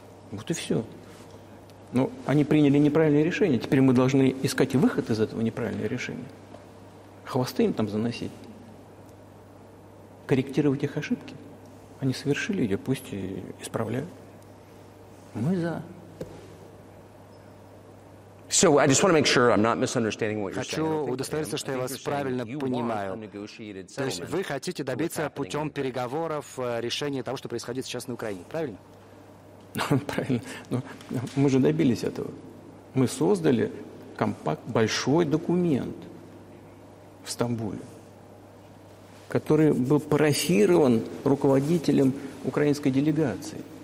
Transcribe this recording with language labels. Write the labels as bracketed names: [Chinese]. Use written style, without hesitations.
[Russian] Вот и все. Но они приняли неправильное решение. Теперь мы должны искать выход из этого неправильного решения. Хвосты им там заносить. Корректировать их ошибки. Они совершили ее, пусть и исправляют. Мы за. [English] So I just want to make sure I'm not misunderstanding what you're saying. [Russian] Хочу удостовериться, что я вас правильно понимаю. То есть вы хотите добиться путем переговоров решения того, что происходит сейчас на Украине, правильно? Правильно. Но мы же добились этого. Мы создали большой документ в Стамбуле, который был парафирован руководителем украинской делегации.